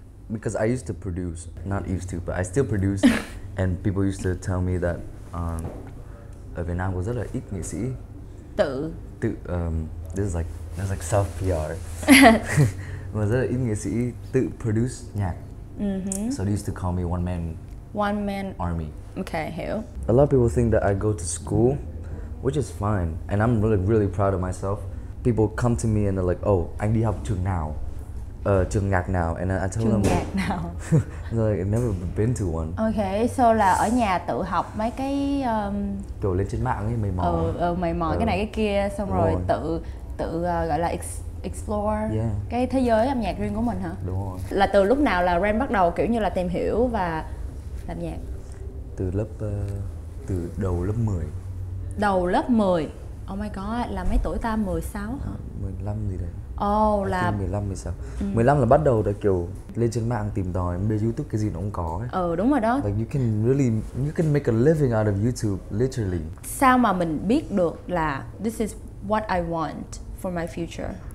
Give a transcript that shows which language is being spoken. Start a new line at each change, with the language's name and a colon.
English: because I used to produce, not used to, but I still produce, and people used to tell me that
Vietnamese: ở Việt Nam có rất là ít nghệ sĩ tự
English: this is like self PR
Vietnamese: mà rất là ít nghệ sĩ tự produce nhạc. Mm-hmm.
English: So they used to call me one man army.
Vietnamese: Okay, hiểu.
English: A lot of people think that I go to school, which is fine, and I'm really really proud of myself. People come to me and they're like, oh,
Vietnamese: anh đi học trường nào? Trường nhạc nào?
English: And I tell
Vietnamese: trường nhạc nào?
English: Like, I've never been to one.
Vietnamese: Okay, so là ở nhà tự học mấy cái kiểu lên trên mạng ấy, mày mò. Cái này cái kia xong rồi tự gọi là explore
English: yeah.
Vietnamese: cái thế giới âm nhạc riêng của mình hả? Đúng rồi. Là từ lúc nào là Ren bắt đầu kiểu như là tìm hiểu và làm nhạc? Từ lớp từ đầu lớp 10. Đầu lớp 10.
English: Oh my god,
Vietnamese: là mấy tuổi ta? 16 hả? 15 gì đấy. Oh, là 15 16. 15 là bắt đầu là kiểu lên trên mạng tìm tòi, bên YouTube cái gì nó cũng có ấy. Ừ đúng rồi đó.
English: Like you can make a living out of YouTube literally.
Vietnamese: Sao mà mình biết được là
English: this is what I want for my future?